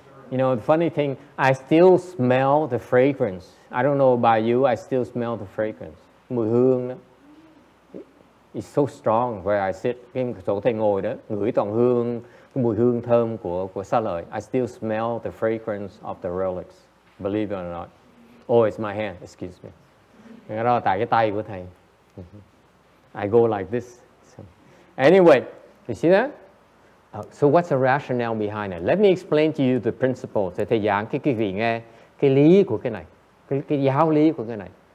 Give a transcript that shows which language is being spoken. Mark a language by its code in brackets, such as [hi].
[en] You know, the funny thing, I still smell the fragrance. I don't know about you, I still smell the fragrance. [vi] Mùi hương đó. [en] It's so strong where I sit. [vi] Cái chỗ thầy ngồi đó, ngửi toàn hương, mùi hương thơm của xa lợi. [en] I still smell the fragrance of the relics, believe it or not. Oh, it's my hand, excuse me. [vi] Cái đó là tại cái tay của thầy. [en] I go like this. So. Anyway, you see that? So what's the rationale behind it? Let me explain to you the principle. [vi] Thầy thầy giảng cái vị nghe cái lý của cái này, cái giáo lý của cái này.